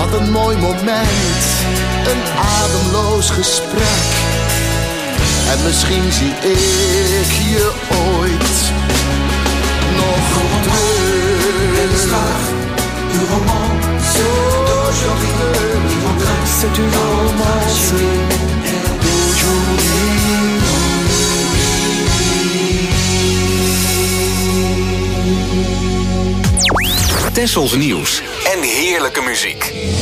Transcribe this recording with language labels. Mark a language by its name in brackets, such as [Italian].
[Dutch] Mooi moment, een ademloos gesprek. En misschien zie ik je ooit nog terug. Uw roman, zo d'aujourd'hui. [French] C'est une romance d'aujourd'hui. [Dutch] Tessels nieuws en heerlijke muziek.